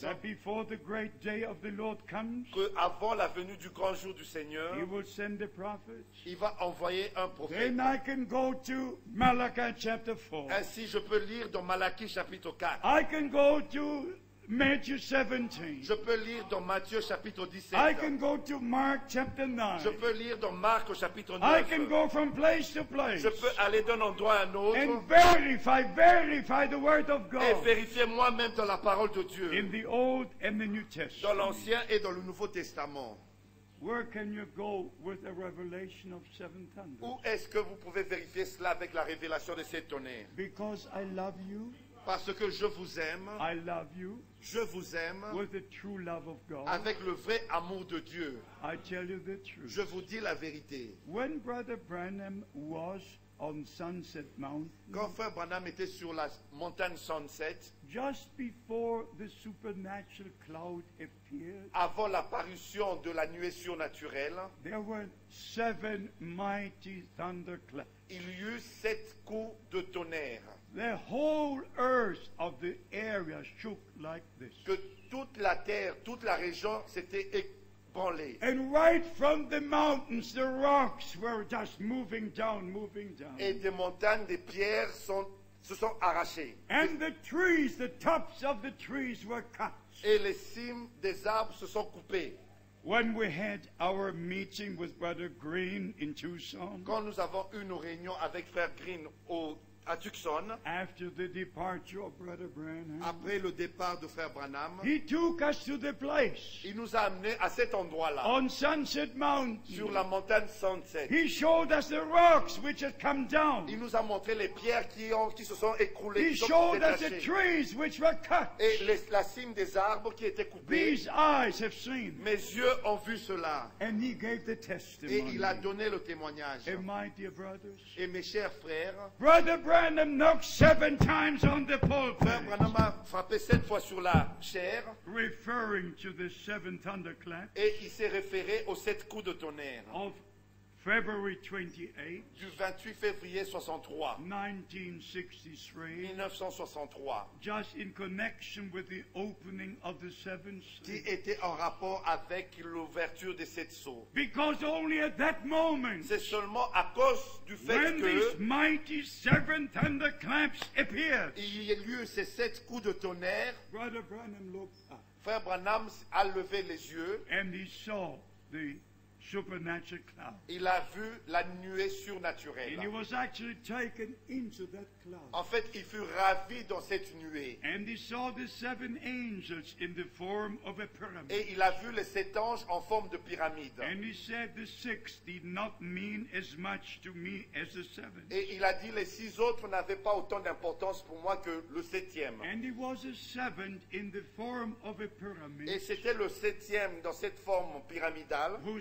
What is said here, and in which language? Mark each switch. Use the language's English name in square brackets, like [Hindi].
[English] that before the great day of the Lord comes, [French] que avant la venue du grand jour du Seigneur, [English] he will send the prophets, [French] il va envoyer un prophète. [English] Then I can go to Malachi chapter 4. [French] Ainsi, je peux lire dans Malachie chapitre 4. [English] I can go to Matthew 17. [French] Je peux lire dans Matthieu chapitre 17. [English] I can go to Mark chapter 9. [French] Je peux lire dans Marc au chapitre 9. [English] I can go from place to place. [French] Je peux aller d'un endroit à un autre. [English] And verify the word of God. [French] Et vérifier moi-même dans la parole de Dieu. [English] In the Old and the New Testament. [French] Dans l'Ancien et dans le Nouveau Testament. [English] Where can you go with a revelation of seven thunders? [French] Où est-ce que vous pouvez vérifier cela avec la révélation des sept tonnerres? [English] Because I love you. [French] Parce que je vous aime. [English] I love you. [French] Je vous aime. [English] With the true love of God. [French] Avec le vrai amour de Dieu. [English] I tell you the truth. [French] Je vous dis la vérité. [English] When Brother Branham was on Sunset Mountain, [French] quand Frère Branham était sur la montagne Sunset, [English] just before the supernatural cloud appeared, [French] avant l'apparition de la nuée surnaturelle, [English] there were seven mighty thunderclaps. [French] Il y eut sept coups de tonnerre. [English] The whole earth of the area shook like this. [French] Que toute la terre, toute la région s'était ébranlée. [English] And right from the mountains, the rocks were just moving down. [French] Et des montagnes, des pierres se sont arrachées. [English] And the trees, the tops of the trees were cut. [French] Et les cimes des arbres se sont coupées. [English] When we had our meeting with Brother Green in Tucson, [French] quand nous avons eu nos réunions avec Frère Green à Tucson, [English] after the departure of Brother Branham, [French] après le départ de Frère Branham, [English] he took us to the place. [French] Il nous a amenés à cet endroit-là. [English] On Sunset Mountain, [French] sur la montagne Sunset, [English] he showed us the rocks which had come down. [French] Il nous a montré les pierres qui se sont écroulées. [English] He showed us the trees which were cut. [French] Et la cime des arbres qui étaient coupés. [English] These eyes have seen. [French] Mes yeux ont vu cela. [English] And he gave the testimony. [French] Et il a donné le témoignage. [English] And my dear brothers, [French] et mes chers frères, [English] Brother Branham knocked seven times on the pulpit. [French] Frère Branham a frappé sept fois sur la chair. [English] Referring to the seven thunderclaps. [French] Et il s'est référé aux sept coups de tonnerre. [English] Of February 28. [French] Du 28 février 63. [English] 1963. Just in connection with the opening of the seventh. [French] Qui était en rapport avec l'ouverture des sept sceaux. [English] Because only at that moment. [French] C'est seulement à cause du fait [English] when [French] que. [English] When these mighty seven thunderclaps appeared. [French] Il y a eu ces sept coups de tonnerre. [English] Brother Branham looked up. [French] Frère Branham a levé les yeux. [English] And he saw the supernatural cloud. [French] Il a vu la nuée surnaturelle. [English] And he was actually taken into that cloud. [French] En fait, il fut ravi dans cette nuée. [English] And he saw the seven angels in the form of a pyramid. [French] Et il a vu les sept anges en forme de pyramide. [English] And he said the six did not mean as much to me as the seven. [French] Et il a dit les six autres n'avaient pas autant d'importance pour moi que le septième. [English] And he was a seventh in the form of a pyramid. [French] Et c'était le septième dans cette forme pyramidale.